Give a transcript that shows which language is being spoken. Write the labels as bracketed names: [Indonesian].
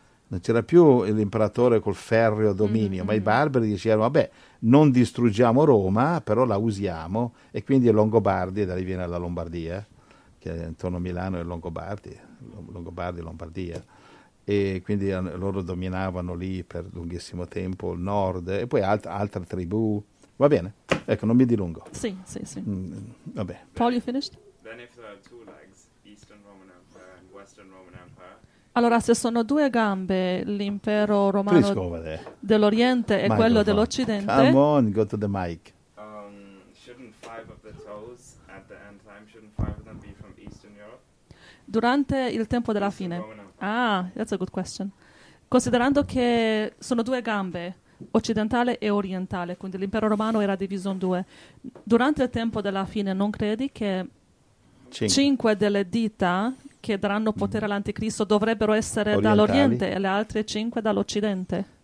[Italian] Non c'era più l'imperatore col ferreo dominio, mm-hmm. ma i barbari dicevano, vabbè, non distruggiamo Roma, però la usiamo, e quindi i Longobardi, da lì viene la Lombardia, che intorno a Milano è Longobardi, Lombardia, e quindi loro dominavano lì per lunghissimo tempo il nord, e poi altre tribù, va bene? Ecco, non mi dilungo. Sì, sì, sì. Vabbè. [English] Paul, you finished? Then if there are two legs, Eastern Roman Empire and Western Roman Empire. [Italian] Allora, se sono due gambe, l'impero romano dell'Oriente e quello dell'Occidente. [English] Come on, go to the mic. Shouldn't five of the toes at the end time, shouldn't five of them be from Eastern Europe? [Italian] Durante il tempo della fine. [English] Ah, that's a good question. [Italian] Considerando che sono due gambe, occidentale e orientale, quindi l'impero romano era diviso in due. Durante il tempo della fine, non credi che cinque delle dita che daranno potere all'anticristo dovrebbero essere orientali, dall'Oriente, e le altre cinque dall'Occidente?